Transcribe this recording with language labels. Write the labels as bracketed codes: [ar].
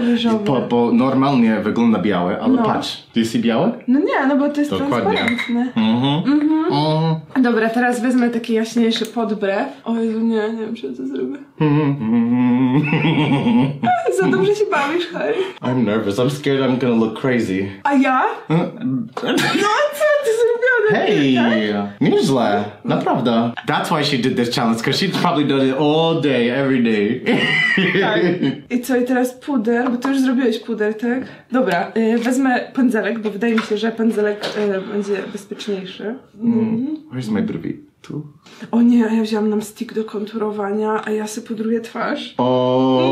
[pl] ryżowy. Bo normalnie wygląda białe, ale patrz. [en] Do you see [pl] białe? No nie, no bo to jest transparentne. Dokładnie. Dobra, teraz wezmę taki jaśniejszy podbrew. O Jezu, nie wiem, czy to zrobię. Za dobrze się bawisz, Harry. [en] I'm nervous. I'm scared I'm gonna look crazy. [pl] A ja? No co ty zrobione? Hey, tak? Nieźle, naprawdę. [en] That's why she did this challenge, because she's probably done it all day, every day. [pl] Tak. I co, i teraz puder, bo ty już zrobiłeś puder, tak? Dobra, wezmę pędzelek, bo wydaje mi się, że pędzelek będzie bezpieczniejszy. [en] Where's my brwi? [pl] Tu? O nie, a ja wziąłam nam stick do konturowania, a ja sobie pudruję twarz. Oh.